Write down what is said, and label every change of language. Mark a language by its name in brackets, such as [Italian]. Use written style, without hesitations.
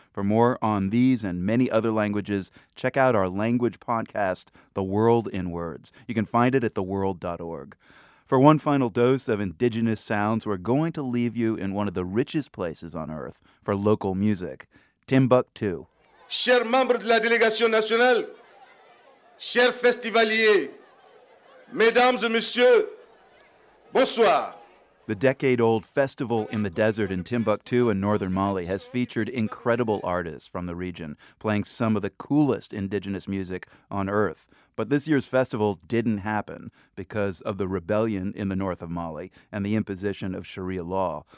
[English] For more on these and many other languages, check out our language podcast, The World in Words. You can find it at theworld.org. For one final dose of indigenous sounds, we're going to leave you in one of the richest places on earth for local music, Timbuktu. [French] Chers membres de la délégation nationale, chers festivaliers, mesdames et messieurs, bonsoir. [English] The decade-old festival in the desert in Timbuktu in northern Mali has featured incredible artists from the region playing some of the coolest indigenous music on earth. But this year's festival didn't happen because of the rebellion in the north of Mali and the imposition of Sharia law.